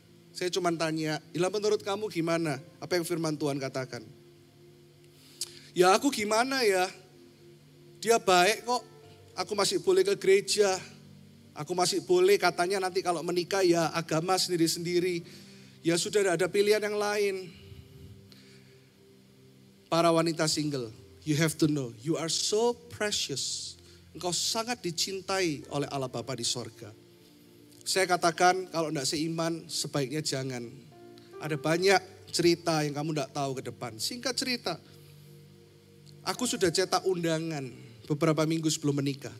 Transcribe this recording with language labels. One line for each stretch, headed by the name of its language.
Indonesian: Saya cuman tanya, ilah menurut kamu gimana? Apa yang firman Tuhan katakan? Ya aku gimana ya? Dia baik kok, aku masih boleh ke gereja. Aku masih boleh, katanya nanti kalau menikah ya agama sendiri-sendiri. Ya sudah ada pilihan yang lain. Para wanita single,
English: you have to know, you are so precious.
Indonesian: Engkau sangat dicintai oleh Allah Bapa di sorga. Saya katakan kalau enggak seiman, sebaiknya jangan. Ada banyak cerita yang kamu enggak tahu ke depan. Singkat cerita, aku sudah cetak undangan beberapa minggu sebelum menikah.